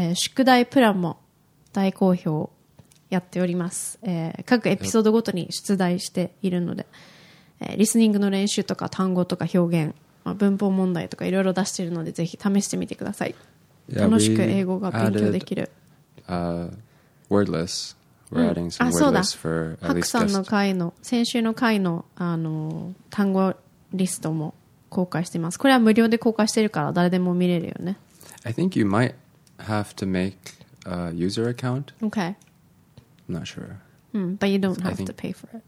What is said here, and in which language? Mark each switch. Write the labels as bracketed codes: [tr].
[ja] 宿題プランも大好評やっております。各エピソードごとに出題しているので、リスニングの練習とか単語とか表現、まあ、文法問題とかいろいろ出しているのでぜひ試してみてください。 [en] Yeah, [ja] 楽しく英語が勉強できる。 [en] Wordless We're adding some word lists for at least guests. [ja] ハクさんの回の先週の回の、あの、単語リストも公開しています。これは無料で公開してるから誰でも見れるよね。 [en] I think you might have to make a user account. Okay. I'm not sure. But you don't have to pay for it.